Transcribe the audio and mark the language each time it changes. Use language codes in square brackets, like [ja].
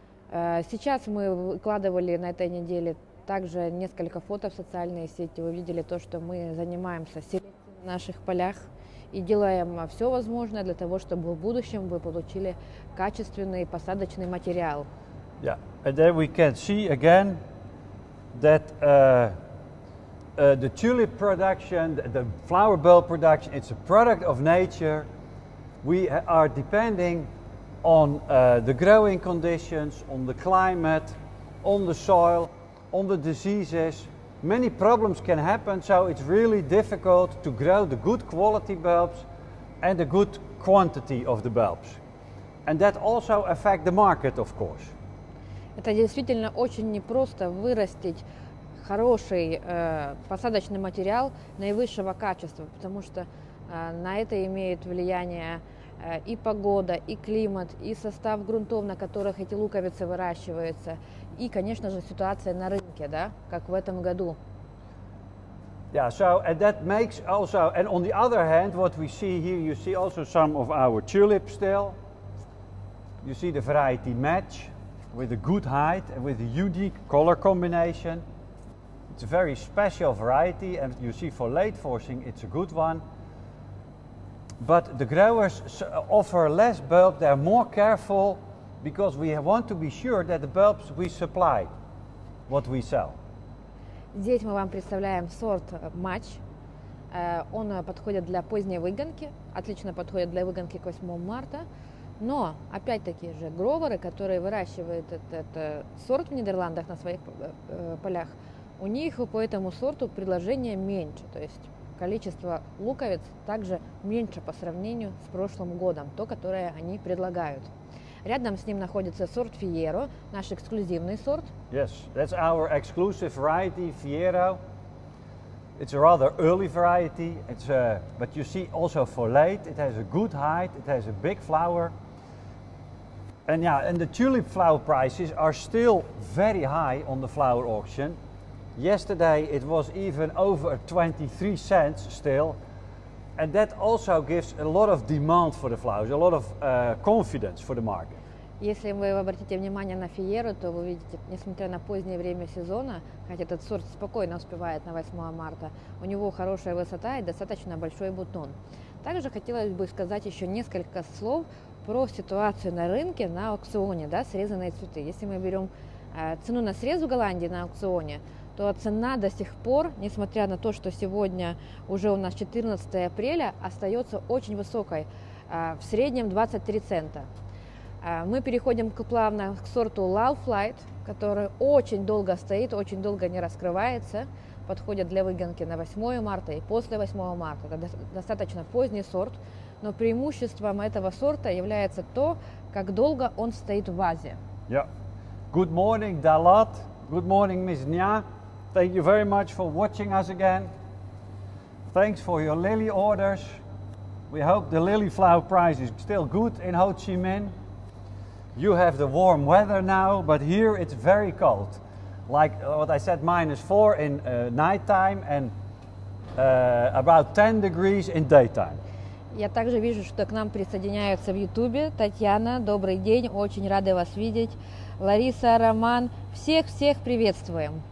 [ru] Сейчас мы выкладывали на этой неделе также несколько фото в социальные сети. Вы видели то, что мы занимаемся селекцией на наших полях и делаем все возможное для того, чтобы в будущем вы получили качественный посадочный материал. [en] Yeah, and then we can see again that the tulip production, the flower bulb production, it's a product of nature. We are depending on the growing conditions, on the climate, on the soil, on the diseases. Many problems can happen, so it's really difficult to grow the good quality bulbs and the good quantity of the bulbs. And that also affects the market, of course. [ru] Это действительно очень непросто вырастить хороший посадочный материал наивысшего качества, потому что на это имеет влияние и погода, и климат, и состав грунтов, на которых эти луковицы выращиваются, и, конечно же, ситуация на рынке, да, как в этом году. [en] Yeah, so, and that makes also, and on the other hand, what we see here, you see also some of our tulips still. You see the variety match with a good height and with a unique color combination. It's a very special variety, and you see for late forcing, it's a good one. But the growers offer less bulb, they're more careful, because we want to be sure that the bulbs we supply, what we sell. [ru] Здесь мы вам представляем сорт матч. Он подходит для поздней выгонки, отлично подходит для выгонки к 8 марта. Но, опять-таки же, гроверы, которые выращивают этот сорт в Нидерландах на своих полях, у них по этому сорту предложение меньше. То есть количество луковиц также меньше по сравнению с прошлым годом, то, которое они предлагают. Рядом с ним находится сорт Fiero, наш эксклюзивный сорт. [en] Yes, that's our exclusive variety, Fiero. It's a rather early variety, but you see also for late, it has a good height, it has a big flower. And yeah, and the tulip flower prices are still very high on the flower auction. Yesterday it was even over 23 cents still. And that also gives a lot of demand for the flowers, a lot of confidence for the market. [ru] Если вы обратите внимание на Fiero, то вы увидите, несмотря на позднее время сезона, хотя этот сорт спокойно успевает на 8 марта, у него хорошая высота и достаточно большой бутон. Также хотелось бы сказать еще несколько слов про ситуацию на рынке, на аукционе, да, срезанные цветы. Если мы берем цену на срезу Голландии на аукционе, то цена до сих пор, несмотря на то, что сегодня уже у нас 14 апреля, остается очень высокой, в среднем 23 цента. Мы переходим плавно к сорту Love Flight, который очень долго стоит, очень долго не раскрывается, подходит для выгонки на 8 марта и после 8 марта. Это достаточно поздний сорт, но преимуществом этого сорта является то, как долго он стоит в вазе. [en] Yeah. Good morning, Dalat. Good morning, Ms. Nya. Thank you very much for watching us again. Thanks for your lily orders. We hope the lily flower price is still good in Ho Chi Minh. You have the warm weather now, but here it's very cold. Like what I said, -4 in nighttime and about 10 degrees in daytime. [ru] Я также вижу, что к нам присоединяются в Ютубе. Татьяна, добрый день, очень рады вас видеть. Лариса, Роман, всех-всех приветствуем.